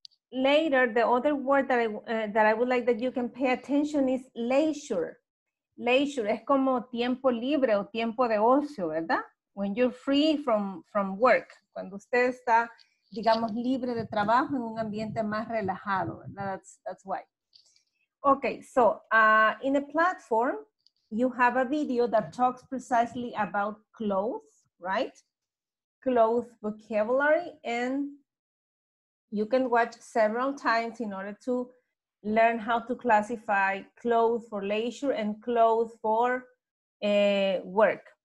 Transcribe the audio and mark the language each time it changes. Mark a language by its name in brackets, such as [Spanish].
[English] Later, the other word that I would like that you can pay attention is leisure. [Spanish] Leisure es como tiempo libre o tiempo de ocio, ¿verdad? [English] When you're free from work. [Spanish] Cuando usted está, digamos, libre de trabajo en un ambiente más relajado, ¿verdad? [English] That's why. Okay, so in a platform, you have a video that talks precisely about clothes, right? Clothes vocabulary, and you can watch several times in order to learn how to classify clothes for leisure and clothes for work.